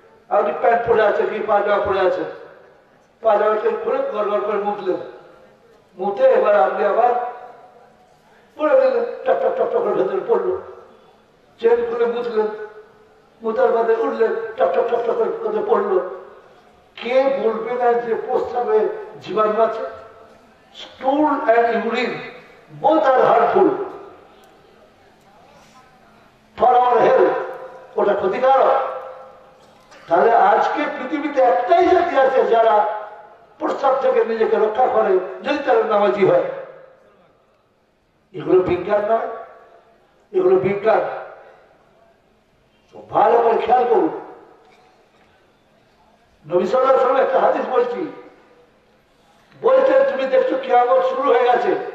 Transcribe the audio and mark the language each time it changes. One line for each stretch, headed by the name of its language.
Bangla: আপনি প্যান্ট পরে আছে কি পাজামা পরে আছে? পাজামাটা খুলে গড়গড় করে মুতলেন, মুতে এবার আপনি আবার পরে ফেললেন, টক টক টক টকের ভেতরে পড়লো, চেন খুলে মুতলেন, মুতার বাদে উঠলেন, টক টক টক টকের ভেতরে পড়লো। কে বলবে না যে প্রস্রাবে জীবাণু আছে?
English: Stool and urine, both are harmful for our health.
Bangla: ওটা ক্ষতিকারক। তাহলে আজকে পৃথিবীতে একটাই জাতি আছে যারা প্রস্রাব থেকে নিজেকে রক্ষা করে যদি তারা নামাজি হয়। এগুলো বিজ্ঞান নয়, এগুলো বিজ্ঞান। ভালো করে খেয়াল করুন, নবী সাল্লাল্লাহু আলাইহি একটা হাদিস বলছি, বলতেন তুমি দেখছো কিয়ামত শুরু হয়ে গেছে।